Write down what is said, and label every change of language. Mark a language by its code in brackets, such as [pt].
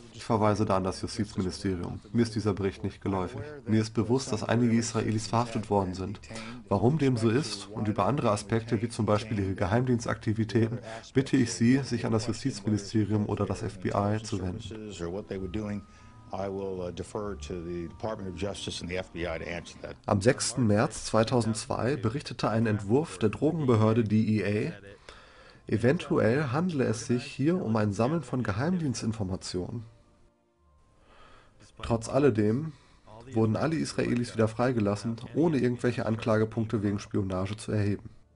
[de] Ich verweise da an das Justizministerium. Mir ist dieser Bericht nicht geläufig. Mir ist bewusst, dass einige Israelis verhaftet worden sind. Warum dem so ist und über andere Aspekte, wie zum Beispiel ihre Geheimdienstaktivitäten, bitte ich Sie, sich an das Justizministerium oder das FBI zu wenden. [en] I will defer to the Department of Justice and the FBI to answer that. [de] Am 6. März 2002 berichtete ein Entwurf der Drogenbehörde DEA, eventuell handle es sich hier um ein Sammeln von Geheimdienstinformationen. Trotz alledem wurden alle Israelis wieder freigelassen, ohne irgendwelche Anklagepunkte wegen Spionage zu erheben.